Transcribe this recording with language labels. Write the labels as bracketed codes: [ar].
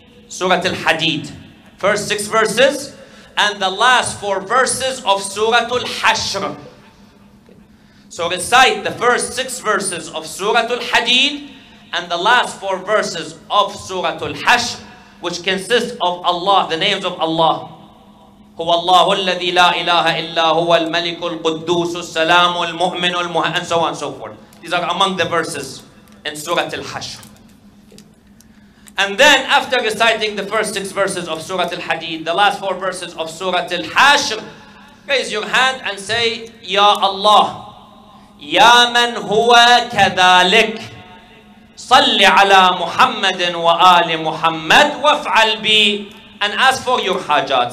[en] Surah al-Hadid. First six verses, and the last four verses of Surah al-Hashr. So recite the first six verses of Surah al-Hadid and the last four verses of Surah al-Hashr, which consists of Allah, the names of Allah. [ar] هو الله الذي لا إله إلا هو الملك القدوس السلام المؤمن المهان [en] and so on and so forth. These are among the verses in Surah al-Hashr. And then after reciting the first six verses of Surah al-Hadid, the last four verses of Surah al-Hashr, raise your hand and say, Ya Allah, [ar] يا من هو كذلك صل على محمد وآل محمد وافعل بي [en] and ask for your hajat.